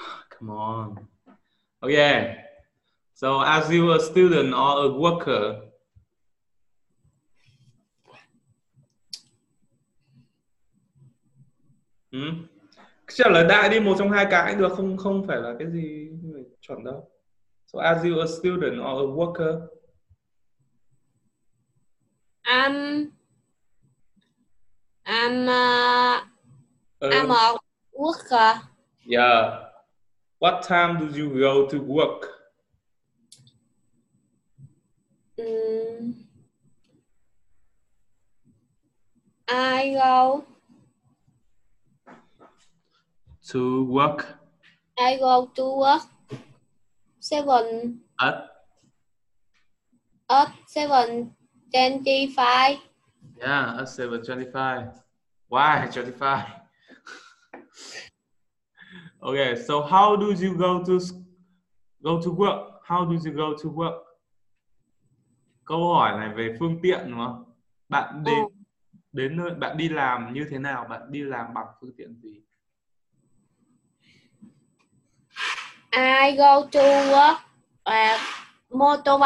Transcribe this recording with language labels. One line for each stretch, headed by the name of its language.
English: Come on. Okay. So as you a student or a worker,
Vietnamese: trả lời đại đi, một trong hai cái được không? Không phải là cái gì chuẩn đâu.
English: So as you a student or a worker. I'm a worker. Yeah. What time do you go to work? To work I go to work 7 at, up 7:25. yeah, at 7:25. Why 25? Okay, so how do you go to work? How do you go to work?
Vietnamese: Câu hỏi này về phương tiện đúng không? Bạn đến đến nơi, bạn đi làm như thế nào? Bạn đi làm bằng phương tiện gì?
English: Go to work